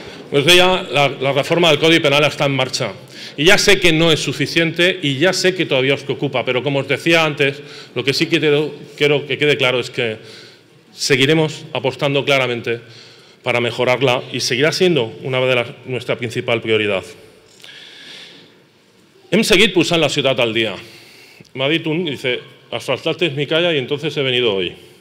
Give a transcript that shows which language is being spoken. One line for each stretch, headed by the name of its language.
Catalan: Pues deia, la reforma del Codi Penal està en marxa.
Spanish: Y ya sé que no es suficiente y ya sé que todavía os preocupa, pero como os decía antes, lo que sí que quiero que quede claro es que seguiremos apostando claramente para mejorarla y seguirá siendo una de nuestra principal prioridad.
Catalan: Hem seguit posant la ciutat al dia. M'ha dit un,
Spanish: dice, asfaltaste mi calle y entonces he venido hoy.